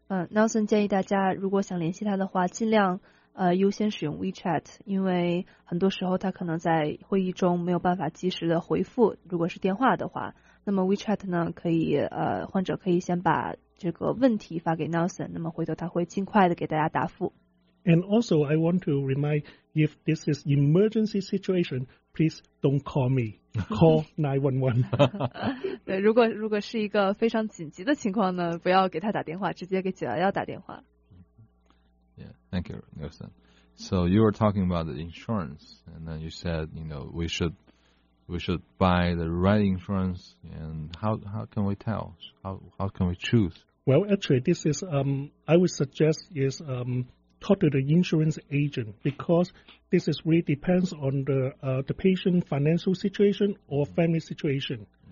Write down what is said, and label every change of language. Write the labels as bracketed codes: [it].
[zh] Nelson 建议大家，如果想联系他的话，尽量优先使用 WeChat, 因为很多时候他可能在会议中没有办法及时的回复，如果是电话的话。那么 WeChat 呢，可以患者可以先把这个问题发给 Nelson, 那么回头他会尽快的给大家答复。 [en] And also, I want to remind, if this is emergency situation, please don't call me. Call 911. [zh] 对，如果是一个非常紧急的情况呢，不要给他打电话，直接给911打电话。 [en] Yeah, thank you, Nelson. So you were talking about the insurance, and then you said, you know, we should buy the right insurance. And how can we tell? How can we choose? Well, actually, this is, I would suggest is, talk to the insurance agent, because this is really depends on the patient financial situation or family situation.